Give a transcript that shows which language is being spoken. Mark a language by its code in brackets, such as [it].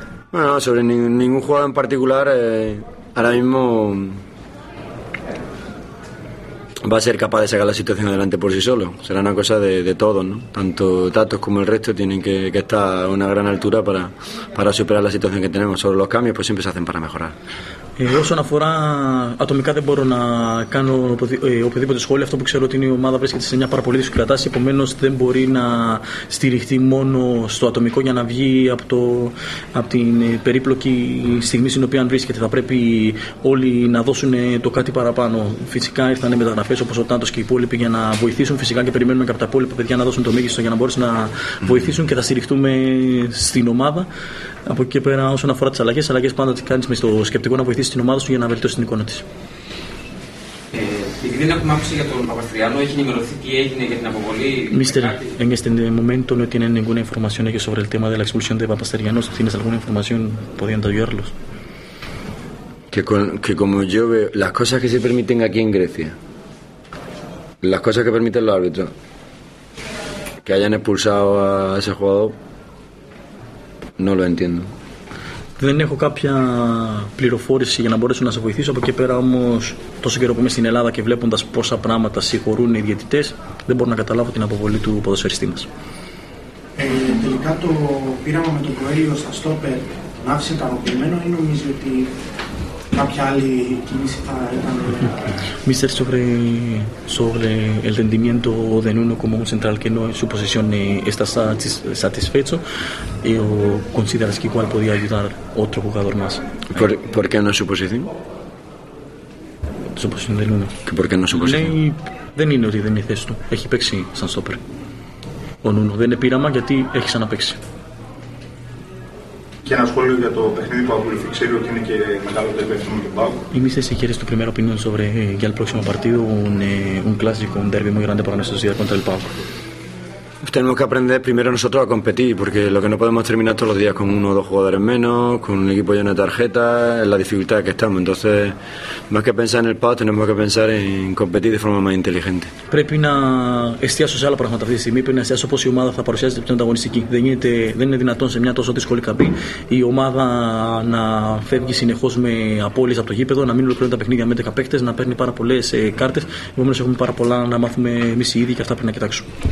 [es] Bueno, sobre ningún jugador en particular, ahora mismo va a ser capaz de sacar la situación adelante por sí solo. Será una cosa de todos, ¿no? Tanto Tatos como el resto tienen que estar a una gran altura para superar la situación que tenemos. Sobre los cambios, pues siempre se hacen para mejorar. [el] Όσον αφορά ατομικά, δεν μπορώ να κάνω οποιοδήποτε σχόλιο. Αυτό που ξέρω ότι είναι η ομάδα βρίσκεται σε μια πάρα πολύ δύσκολη κατάσταση. Επομένως, δεν μπορεί να στηριχθεί μόνο στο ατομικό για να βγει από την περίπλοκη στιγμή στην οποία βρίσκεται. Θα πρέπει όλοι να δώσουν το κάτι παραπάνω. Φυσικά ήρθαν μεταγραφές όπως ο Τάντος και οι υπόλοιποι για να βοηθήσουν. Φυσικά και περιμένουμε και από τα υπόλοιπα παιδιά να δώσουν το μέγιστο για να μπορέσουν να βοηθήσουν και θα στηριχτούμε στην ομάδα. Από εκεί πέρα, όσον αφορά τις αλλαγές πάντα τις κάνεις με το σκεπτικό να βοηθήσεις την ομάδα σου για να βελτιώσεις την εικόνα της. Επειδή δεν έχουμε άποψη για τον Παπαστριανό, έχει ενημερωθεί τι έγινε για την αποβολή. [es] Mister, en este momento no tienen ninguna información ellos sobre el tema de la expulsión de Papastriano. Si tienes alguna información, podrían ayudarlos. Que como yo veo, las cosas que se permiten aquí en Grecia, las cosas que permiten los árbitros, que hayan expulsado a ese jugador. No lo entiendo. [el] Δεν έχω κάποια πληροφόρηση για να μπορέσω να σε βοηθήσω. Από εκεί πέρα όμως, τόσο καιρό που είμαι στην Ελλάδα και βλέποντας πόσα πράγματα συγχωρούν οι διαιτητές, δεν μπορώ να καταλάβω την αποβολή του ποδοσφαιριστή μας. Τελικά το πείραμα με τον Κοέλιο στα στόπερ τον άφησε ικανοποιημένο ή νομίζει ότι κάποια άλλη κίνηση θα ήταν. [es] Mister, sobre el rendimiento de Nuno como un central que no en su posición está satisfecho, ¿o consideras que igual podía ayudar otro jugador más? ¿Por qué no es su posición? Su posición de Nuno. ¿Por qué no es su posición? [el] Δεν είναι ότι δεν είναι θέση του. Έχει παίξει σαν στόπερ. Ο Νούνο δεν είναι πείραμα γιατί έχει ξαναπαίξει. Και ένα σχόλιο για το παιχνίδι που ακολουθεί. Ξέρει ότι είναι και μεγάλο τερμπέ με τον Πάο. Είμαι σε χέρι του πριν [es] opinión sobre για el próximo partido, un clásico, un derby muy grande para nuestra ciudad contra el Pau. Tenemos que aprender primero nosotros a competir, porque lo que no podemos terminar todos los días con uno o dos jugadores menos, con un equipo lleno de tarjetas, es la dificultad que estamos. Entonces, más que pensar en el Pau, tenemos que pensar en competir de forma más inteligente. [el] Πρέπει να εστιάσω σε άλλα πράγματα αυτή τη στιγμή. Πρέπει να εστιάσω πώς η ομάδα θα παρουσιάζεται πιο ανταγωνιστική. Δεν είναι δυνατόν σε μια τόσο δύσκολη καμπή η ομάδα να φεύγει συνεχώς με απώλειες από το γήπεδο, να μην ολοκληρώνουν τα παιχνίδια με 10 παίκτες, να παίρνει πάρα πολλές κάρτες. Επομένως, έχουμε πάρα πολλά να μάθουμε εμείς οι ίδιοι και αυτά πρέπει να κοιτάξουμε.